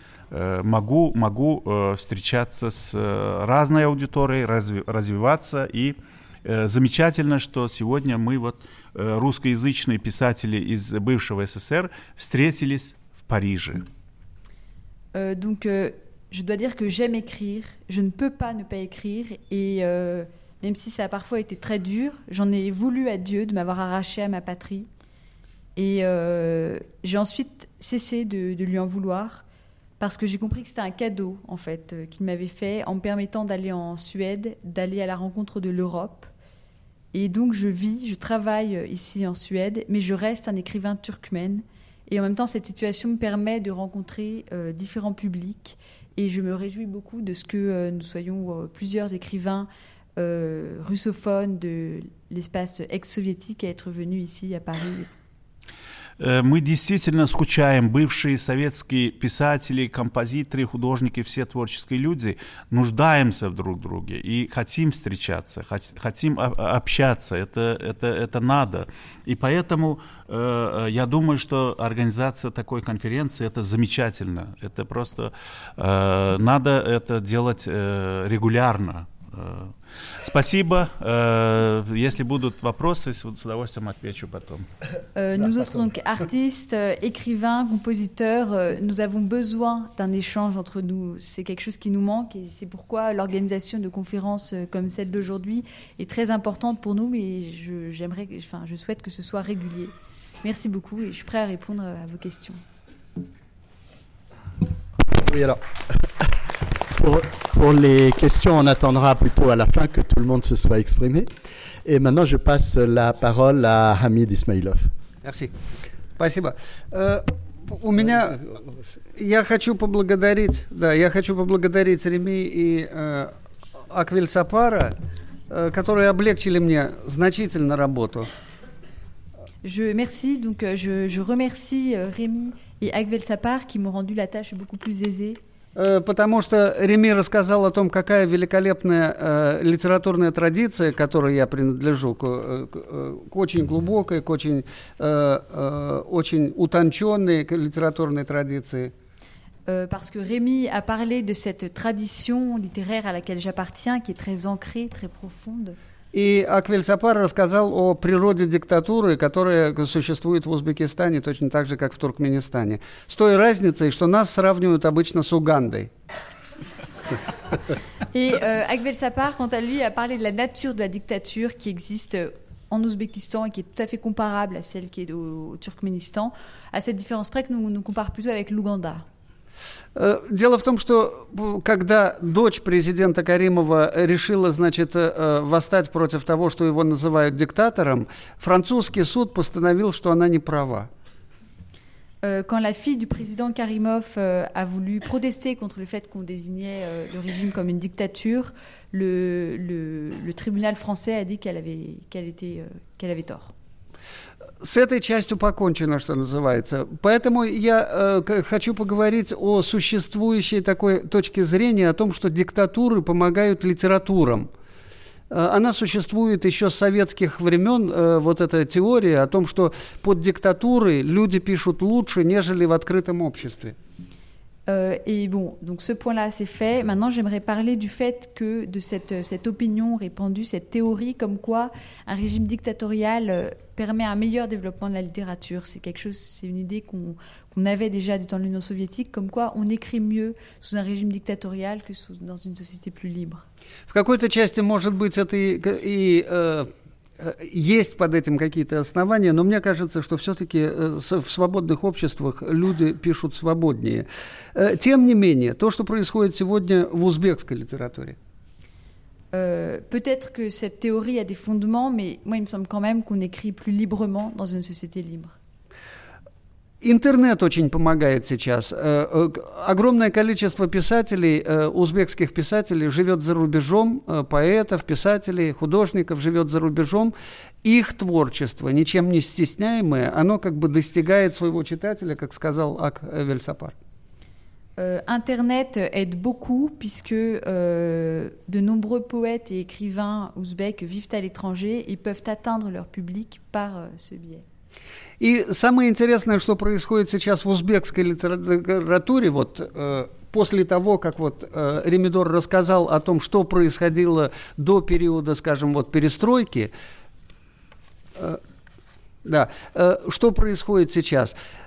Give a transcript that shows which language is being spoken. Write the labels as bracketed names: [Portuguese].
[Russian] могу встречаться с разной аудиторией, развиваться. И замечательно, что сегодня мы, вот, русскоязычные писатели из бывшего СССР, встретились в Париже. [French] Donc, je dois dire que j'aime écrire. Je ne peux pas ne pas écrire. Et même si ça a parfois été très dur, j'en ai voulu à Dieu de m'avoir arraché à ma patrie. Et j'ai ensuite cessé de lui en vouloir. Parce que j'ai compris que c'était un cadeau, en fait, qu'il m'avait fait en me permettant d'aller en Suède, d'aller à la rencontre de l'Europe. Et donc, je vis, je travaille ici en Suède, mais je reste un écrivain turkmène. Et en même temps, cette situation me permet de rencontrer différents publics. Et je me réjouis beaucoup de ce que nous soyons plusieurs écrivains russophones de l'espace ex-soviétique à être venus ici à Paris. [Russian] Мы действительно скучаем, бывшие советские писатели, композиторы, художники, все творческие люди, нуждаемся в друг друге и хотим встречаться, хотим общаться, это надо. И поэтому я думаю, что организация такой конференции – это замечательно, это просто надо это делать регулярно. Спасибо. Если будут вопросы, с удовольствием отвечу потом. [French] Nous autres, donc, artistes, écrivains, compositeurs, nous avons besoin d'un échange entre nous. C'est quelque chose qui nous manque et c'est pourquoi l'organisation de conférences comme celle d'aujourd'hui est très importante pour nous. Mais je souhaite que ce soit régulier. Merci beaucoup et je suis prêt à répondre à vos questions. Oui, alors. Pour les questions, on attendra plutôt à la fin que tout le monde se soit exprimé. Et maintenant, je passe la parole à Hamid Ismailov. Merci. Merci. [Russian] У меня я хочу поблагодарить Реми и Аквиль Сапара, которые облегчили мне значительно работу. [French] Je merci. Donc je remercie Реми et Aquil Sapar qui m'ont rendu la tâche beaucoup plus aisée. [Russian] Потому что Реми рассказал о том, какая великолепная литературная традиция, к которой я принадлежу, к очень глубокой, к очень, очень утонченной литературной традиции. [French] Parce que Реми a parlé de cette tradition littéraire à laquelle j'appartiens, qui est très ancrée, très profonde. [Russian] И Аквиль Сапар рассказал о природе диктатуры, которая существует в Узбекистане точно так же, как в Туркменистане. С той разницей, что нас сравнивают обычно с Угандой. И [French] Аквиль Сапар, quant à lui, a parlé de la nature de la dictature qui existe en Ouzbékistan et qui est tout à fait comparable à celle qui est au Turkménistan, à cette différence près que nous compare plutôt avec l'Ouganda. [Russian] Дело в том, что когда дочь президента Каримова решила, значит, восстать против того, что его называют диктатором, французский суд постановил, что она не права. [French] Quand la fille du président Karimov a voulu protester contre le fait qu'on désignait le régime comme une dictature, le tribunal français a dit qu'elle avait tort. [Russian] С этой частью покончено, что называется. Поэтому я хочу поговорить о существующей такой точке зрения, о том, что диктатуры помогают литературам. Она существует еще с советских времен, вот эта теория о том, что под диктатурой люди пишут лучше, нежели в открытом обществе. [French] Et bon, donc ce point-là, c'est fait. Maintenant, j'aimerais parler du fait que de cette opinion répandue, cette théorie comme quoi un régime dictatorial permet un meilleur développement de la littérature. C'est une idée qu'on avait déjà du temps de l'Union soviétique, comme quoi on écrit mieux sous un régime dictatorial que dans une société plus libre. [Russian] В какой-то части, может быть, это и есть под этим какие-то основания, но мне кажется, что все-таки в свободных обществах люди пишут свободнее. Тем не менее, то, что происходит сегодня в узбекской литературе. [French] Peut-être que cette théorie a des fondements, mais moi, il me semble quand même qu'on écrit plus librement dans une société libre. [Russian] Интернет очень помогает сейчас. Огромное количество писателей, узбекских писателей, живет за рубежом, поэтов, писателей, художников живет за рубежом. Их творчество, ничем не стесняемое, оно как бы достигает своего читателя, как сказал Ак Вельсапар. [French] Internet aide beaucoup puisque de nombreux poètes et écrivains ouzbeks vivent à l'étranger et peuvent atteindre leur public par ce biais. [Russian] И самое интересное, что происходит сейчас в узбекской литературе, вот после того, как вот Ремидор рассказал о том, что происходило до периода, скажем, вот перестройки, что происходит сейчас?